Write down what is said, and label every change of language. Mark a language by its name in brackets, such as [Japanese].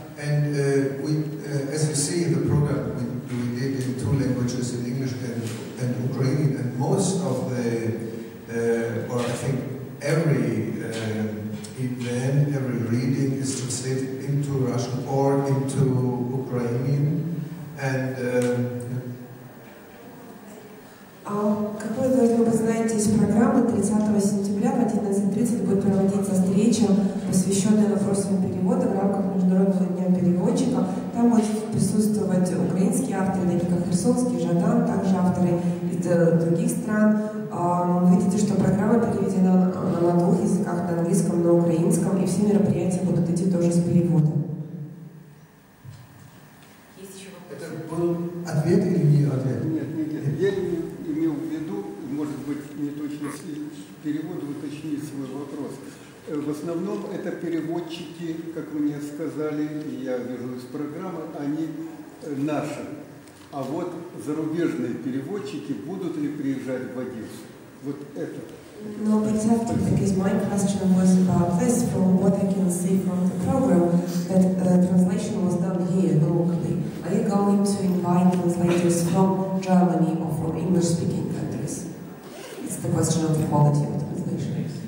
[English] And we, as you see, the program we did in two languages, in English and Ukrainian, and most of the, or I think every event, every reading is translated into Russian or into Ukrainian. And [Russian] какой вы знаете из программы 30 сентября в 11:30 будет проводиться встреча, посвященная вопросам перевода в рамках Международного дня переводчика. Там будут присутствовать украинские авторы, такие как Херсонский, Жадан, также авторы из других стран. Видите, что программа переведена на двух языках, на английском, на украинском, и все мероприятия будут идти тоже с переводом. Есть еще вопросы? Это был ответ или не ответ? Может быть, не точно перевод, уточнить свой вопрос. В основном это переводчики, как вы мне сказали, я вижу из программы, они наши. А вот зарубежные переводчики будут ли приезжать в Одессу? Вот это. [English] No, but after, because my question was about this, from what I can see from the program, that translation was done here locally. Are you going to invite translators from Germany or from English-speaking countries? The question of the quality of the translation.